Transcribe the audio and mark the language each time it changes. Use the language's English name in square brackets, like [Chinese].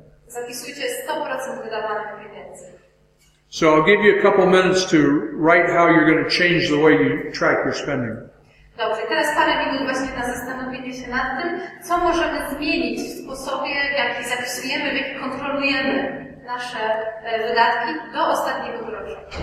[Polish] Zapisujcie 100% wydawanych pieniędzy. [English] So I'll give you a couple minutes to write how you're going to change the way you track your spending. [Polish] Dobrze, teraz parę minut właśnie na zastanowienie się nad tym, co możemy zmienić w sposobie, w jaki zapisujemy, w jaki kontrolujemy nasze wydatki do ostatniego grosza.